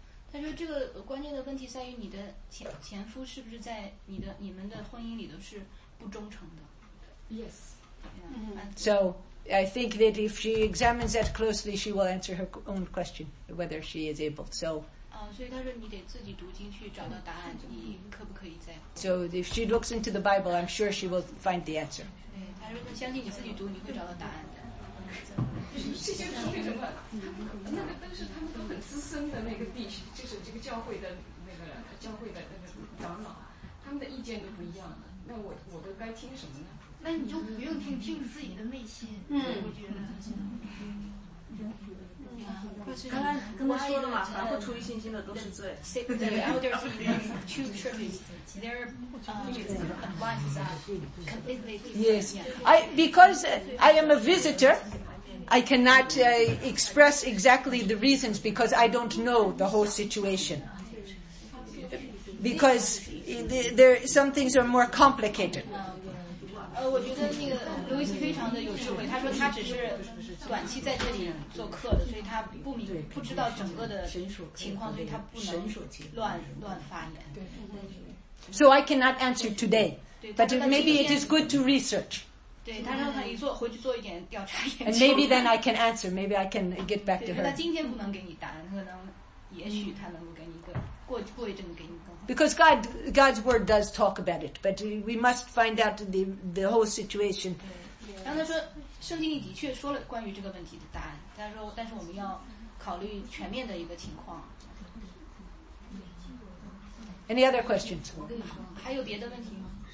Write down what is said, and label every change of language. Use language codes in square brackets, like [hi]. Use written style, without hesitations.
[zh] 他说这个关键的问题在于你的前夫是不是在你们的婚姻里头是不忠诚的。 [en] Yes. So I think that if she examines that closely, she will answer her own question whether she is able. So [zh] 所以他说你得自己读进去找到答案，你可不可以再 [en] So if she looks into the Bible, I'm sure she will find the answer. [zh] 对，他说他相信你自己读，你会找到答案的。这些说明什么？那个都是他们都很资深的那个地区，就是这个教会的那个教会的那个长老，他们的意见都不一样的。那我都该听什么呢？那你就不用听，听自己的内心。嗯，我觉得。刚刚说了嘛，凡不出于信心的都是罪。 [en] The elders in two churches, their advice is completely different. Yes, because I am a visitor. I cannot express exactly the reasons because I don't know the whole situation. Because there some things are more complicated. [zh] 我觉得那个刘易斯非常的有智慧，他说他只是短期在这里做客的，所以他不知道整个的情况，所以他不能乱发言。 [en] So I cannot answer today, but maybe it is good to research. [zh] 对，他让他一做回去做一点调查研究。 [en] And maybe then I can answer. Maybe I can get back to her. [zh] 他今天不能给你答案，可能也许他能够给你一个过一阵子给你更好。 [en] Because God's word does talk about it, but we must find out the whole situation. [zh] 然后他说，圣经里的确说了关于这个问题的答案。他说，但是我们要考虑全面的一个情况。 [en] Any other questions? [zh] 我跟你说，还有别的问题吗